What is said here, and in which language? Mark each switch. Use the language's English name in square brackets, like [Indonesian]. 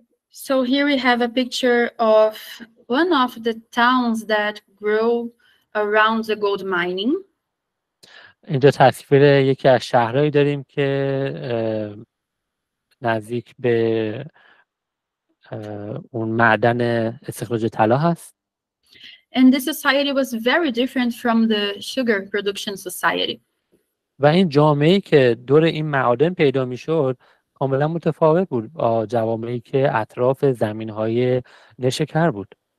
[English] So here we have a picture of one of the towns that grew around the gold mining. [Persian] اینجا تصویر یکی از شهرهایی داریم که نزدیک به اون معدن استخراج طلا هست. [English] And this society was very different from the sugar production society. [Persian] و این جامعه‌ای که دور این معادن پیدا می‌شد کاملا متفاوت بود با جامعه‌ای که اطراف زمین‌های نشکر بود.